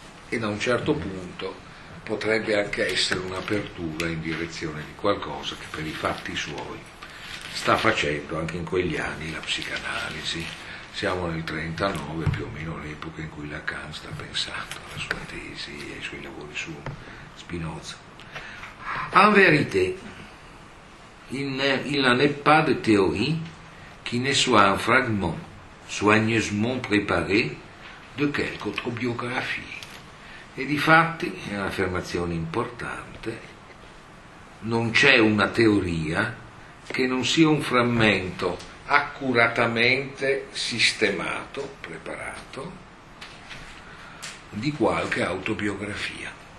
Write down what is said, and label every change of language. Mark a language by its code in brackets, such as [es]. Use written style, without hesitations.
[it] E da un certo punto potrebbe anche essere un'apertura in direzione di qualcosa che, per i fatti suoi, sta facendo anche in quegli anni la psicanalisi. Siamo nel 39, più o meno l'epoca in cui Lacan sta pensando alla sua tesi e ai suoi lavori su Spinoza. [fr] En vérité, il n'en est pas de théorie qui ne soit un fragment soigneusement préparé de quelque autre biographie. [it] E difatti, è un'affermazione importante, non c'è una teoria che non sia un frammento accuratamente sistemato, preparato, di qualche autobiografia.